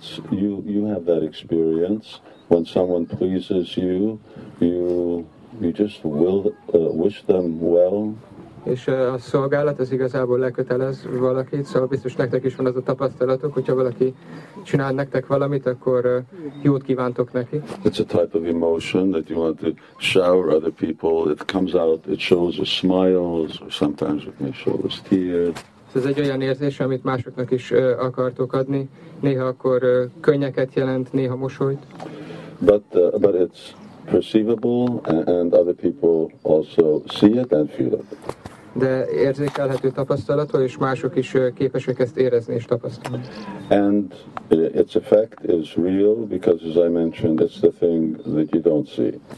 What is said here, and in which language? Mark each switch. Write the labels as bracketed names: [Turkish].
[English] You have that experience when someone pleases you, you just will wish them well. [Hungarian] És a szolgálat az igazából lekötelez valakit, szóval biztos nektek is van az a tapasztalatok, hogyha valaki csinál nektek valamit, akkor jót kívántok neki. [English] It's a type of emotion that you want to shower other people. It comes out, it shows a smiles, or sometimes it may show a tear. [Hungarian] Ez egy olyan érzés, amit másoknak is akartok adni. Néha akkor könnyeket jelent, néha mosolyt. [English] But it's perceivable, and other people also see it and feel it. [Hungarian] De érzékelhető tapasztalatról, és mások is képesek ezt érezni és tapasztalni. [English] And its effect is real, because as I mentioned, it's the thing that you don't see.